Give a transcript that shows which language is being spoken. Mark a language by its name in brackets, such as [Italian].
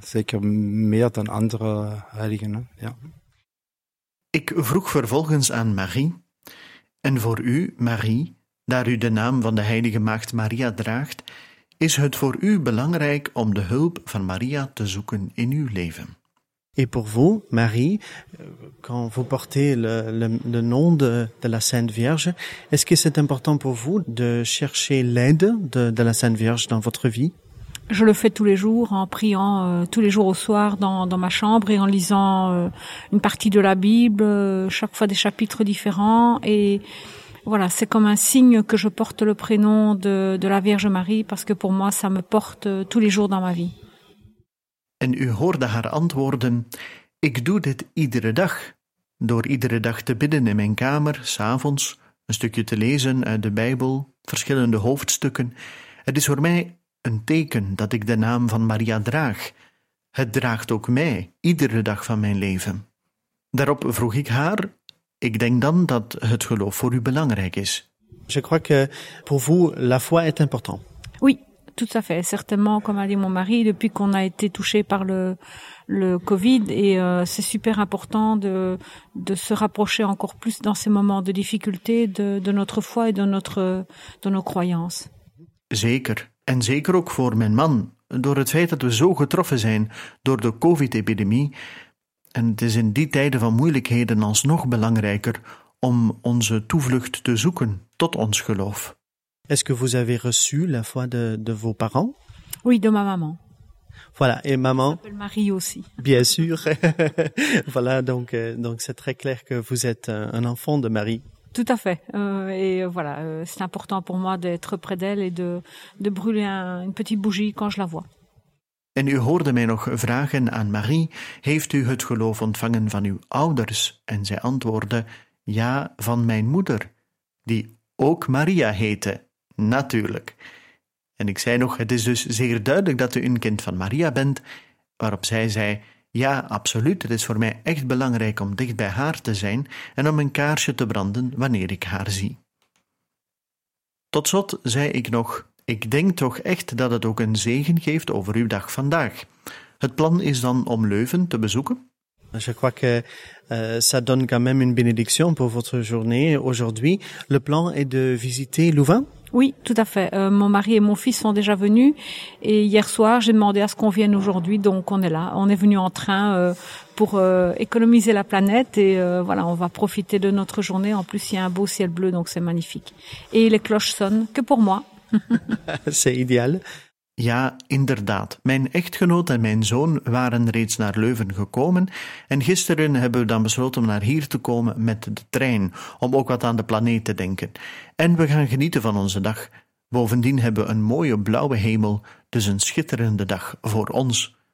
[Dutch] Zeker meer dan andere heiligen, hè? Ja. Ik vroeg vervolgens aan Marie. En voor u, Marie, daar u de naam van de heilige maagd Maria draagt, is het voor u belangrijk om de hulp van Maria te zoeken in uw leven? [French] Et pour vous, Marie, quand vous portez le nom de la Sainte Vierge, est-ce que c'est important pour vous de chercher l'aide de la Sainte Vierge dans votre vie? Je le fais tous les jours en priant tous les jours au soir dans ma chambre et en lisant une partie de la Bible, chaque fois des chapitres différents et voilà, c'est comme un signe que je porte le prénom de la Vierge Marie, parce que pour moi, ça me porte tous les jours dans ma vie. [Dutch] En u hoorde haar antwoorden, ik doe dit iedere dag, door iedere dag te bidden in mijn kamer, 's avonds, een stukje te lezen uit de Bijbel, verschillende hoofdstukken. Het is voor mij een teken dat ik de naam van Maria draag. Het draagt ook mij, iedere dag van mijn leven. Daarop vroeg ik haar, ik denk dan dat het geloof voor u belangrijk is. [French] Je crois que pour vous la foi est important. Oui, tout à fait. Certainement, comme a dit mon mari, depuis qu'on a été touché par le Covid, et c'est super important de se rapprocher encore plus dans ces moments de difficulté de notre foi et de nos croyances. [Dutch] Zeker, en zeker ook voor mijn man, door het feit dat we zo getroffen zijn door de Covid-epidemie. En het is in die tijden van moeilijkheden alsnog belangrijker om onze toevlucht te zoeken tot ons geloof. [French] Est-ce que vous avez reçu la foi de vos parents? Oui, de ma maman. Voilà, et maman. Je m'appelle Marie aussi. Bien sûr. Voilà, donc c'est très clair que vous êtes un enfant de Marie. Tout à fait. Et voilà, c'est important pour moi d'être près d'elle et de brûler une petite bougie quand je la vois. [Dutch] En u hoorde mij nog vragen aan Marie, heeft u het geloof ontvangen van uw ouders? En zij antwoordde, ja, van mijn moeder, die ook Maria heette, natuurlijk. En ik zei nog, het is dus zeer duidelijk dat u een kind van Maria bent, waarop zij zei, ja, absoluut, het is voor mij echt belangrijk om dicht bij haar te zijn en om een kaarsje te branden wanneer ik haar zie. Tot slot zei ik nog, ik denk toch echt dat het ook een zegen geeft over uw dag vandaag. Het plan is dan om Leuven te bezoeken. [French] Je crois que ça donne quand même une bénédiction pour votre journée aujourd'hui. Le plan est de visiter Louvain? Oui, tout à fait. Mon mari et mon fils sont déjà venus et hier soir, j'ai demandé à ce qu'on vienne aujourd'hui, donc on est là. On est venu en train pour économiser la planète et voilà, on va profiter de notre journée. En plus, il y a un beau ciel bleu, donc c'est magnifique. Et les cloches sonnent que pour moi. C'est idéal. [Dutch] Ja, inderdaad. Mijn echtgenoot en mijn zoon waren reeds naar Leuven gekomen en gisteren hebben we dan besloten om naar hier te komen met de trein, om ook wat aan de planeet te denken. En we gaan genieten van onze dag. Bovendien hebben we een mooie blauwe hemel, dus een schitterende dag voor ons.